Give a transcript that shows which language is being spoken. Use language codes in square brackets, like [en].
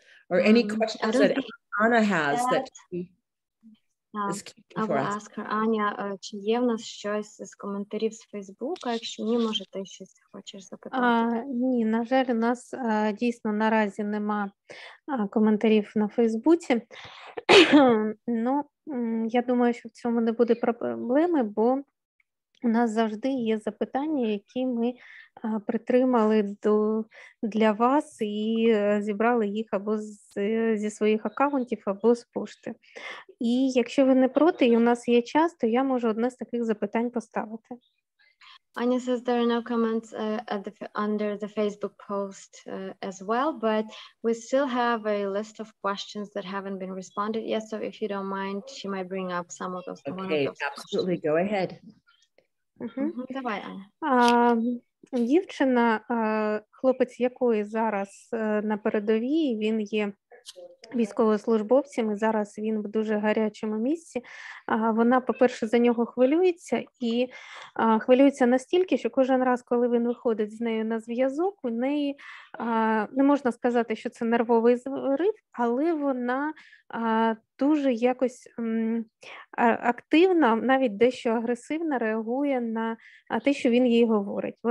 [en] Or any questions that Anna has that she is keeping for us? Ask her, [uk] Аня, чи є в нас щось з коментарів з Фейсбука? Якщо ні, може, ти щось хочеш запитати? Ні, на жаль, у нас дійсно наразі нема коментарів на Фейсбуці. Ну, я думаю, що в цьому не буде проблеми, бо у нас завжди є запитання, які ми притримали для вас і зібрали їх або зі своїх акаунтів, або з пошти. І якщо ви не проти, і у нас є час, то я можу одне з таких запитань поставити. [en] Anya says there are no comments under the Facebook post as well, but we still have a list of questions that haven't been responded yet. So if you don't mind, she might bring up some of those. Okay, absolutely. Go ahead. [uk] Давай, Аня. Дівчина, хлопець якої зараз на передовій, він є військовослужбовцем, і зараз він в дуже гарячому місці. Вона, по-перше, за нього хвилюється, і хвилюється настільки, що кожен раз, коли він виходить з нею на зв'язок, у неї не можна сказати, що це нервовий зрив, але вона дуже якось активно, навіть дещо агресивно реагує на те, що він їй говорить.